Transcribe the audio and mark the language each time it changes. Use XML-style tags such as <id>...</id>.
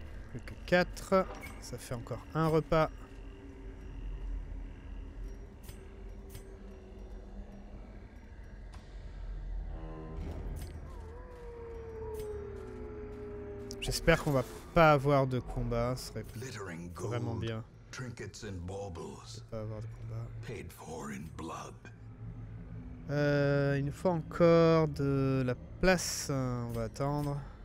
<fr>Plus que 4. Ça fait encore un repas. J'espère qu'on va pas avoir de combat. Ce serait vraiment bien.</fr> <en>Trinkets and baubles, paid for in blood.</en> <fr>Il nous faut encore de la place, on va attendre.</fr>